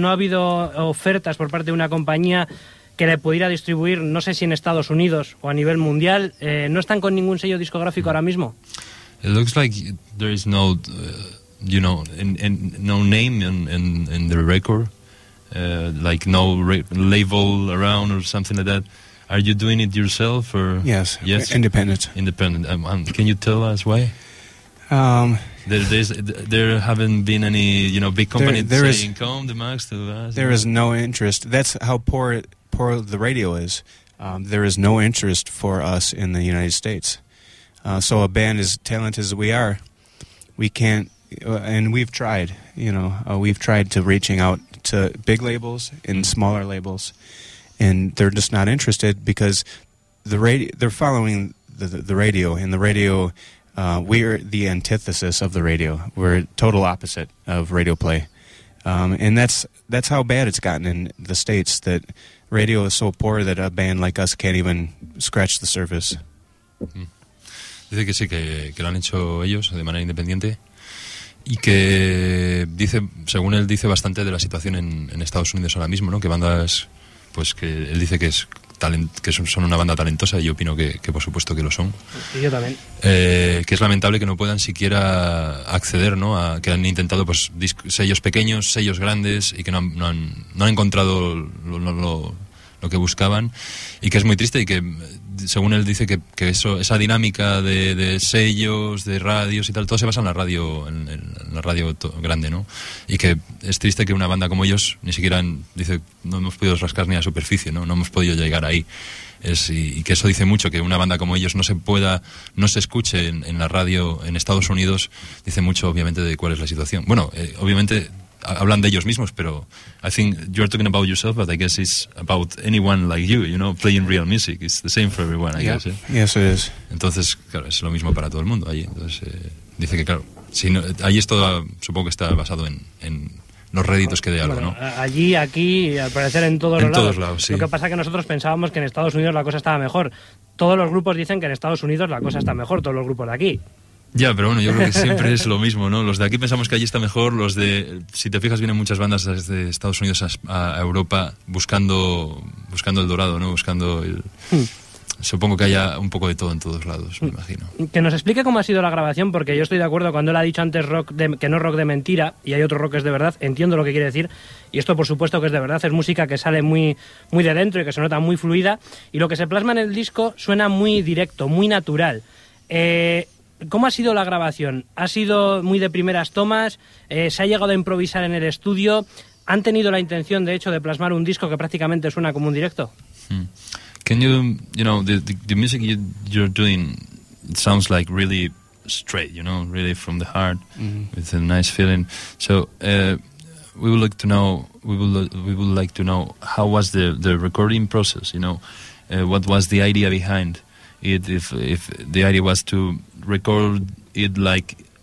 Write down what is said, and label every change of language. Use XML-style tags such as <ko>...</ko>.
<es>¿No ha habido ofertas por parte de una compañía que le pudiera distribuir, no sé si en Estados Unidos o a nivel mundial? ¿No están con ningún sello discográfico ahora mismo?</es> <en>It looks like there is no, you know, no name in the record, like no label around or something like that. Are you doing it yourself or? Yes, yes? Independent. Independent. Can you tell us why? There haven't been any, you know, big companies saying, come, the Max, to us. There is no interest. That's how poor the radio is. There is no interest for us in the United States. So a band as talented as we are, we can't, and we've tried, you know, we've tried to reaching out to big labels and smaller labels, and they're just not interested because they're following the radio, and the radio, we're the antithesis of the radio. We're total opposite of radio play. And that's how bad it's gotten in the States, that radio is so poor that a band like us can't even scratch the surface.</en> <es>Dice que sí, que lo han hecho ellos de manera independiente. Y que dice, según él, dice bastante de la situación en Estados Unidos ahora mismo, ¿no? Que bandas, pues que él dice que son una banda talentosa, y yo opino que por supuesto que lo son. Y yo también. Que es lamentable que no puedan siquiera acceder, ¿no? Que han intentado pues sellos pequeños, sellos grandes, y que no han encontrado lo que buscaban. Y que es muy triste, y que según él dice que eso, esa dinámica de sellos, de radios y tal, todo se basa en la radio, en la radio grande, ¿no? Y que es triste que una banda como ellos ni siquiera, dice, no hemos podido rascar ni a superficie, ¿no? No hemos podido llegar ahí. Y que eso dice mucho, que una banda como ellos no se escuche en la radio en Estados Unidos, dice mucho, obviamente, de cuál es la situación. Bueno, obviamente hablan de ellos mismos, pero</es> <en>I think you are talking about yourself, but I guess it's about anyone like you, you know, playing real music. It's the same for everyone, I guess. Yes, it is.</en> <es>Entonces, claro, es lo mismo para todo el mundo allí. Entonces, dice que claro, si no, ahí es todo, supongo que está basado en los réditos que dé algo, ¿no? Allí, aquí, al parecer en todos en los lados. En todos lados, sí. Lo que pasa es que nosotros pensábamos que en Estados Unidos la cosa estaba mejor. Todos los grupos dicen que en Estados Unidos la cosa está mejor, todos los grupos de aquí. Ya, pero bueno, yo creo que siempre es lo mismo, ¿no? Los de aquí pensamos que allí está mejor, los de, si te fijas, vienen muchas bandas desde Estados Unidos a Europa buscando el dorado, ¿no? Buscando el... Supongo que haya un poco de todo en todos lados, me imagino. Que nos explique cómo ha sido la grabación, porque yo estoy de acuerdo cuando él ha dicho antes rock que no rock de mentira, y hay otro rock que es de verdad, entiendo lo que quiere decir, y esto por supuesto que es de verdad, es música que sale muy, muy de dentro y que se nota muy fluida, y lo que se plasma en el disco suena muy directo, muy natural. ¿Cómo ha sido la grabación? ¿Ha sido muy de primeras tomas? ¿Se ha llegado a improvisar en el estudio? ¿Han tenido la intención, de hecho, de plasmar un disco que prácticamente suena como un directo?</es> <en>Can you know, the music you're doing, it sounds like really straight, you know, really from the heart, with a nice feeling. So we would like to know how was the recording process, you know, what was the idea behind it, if the idea was to record it like</en>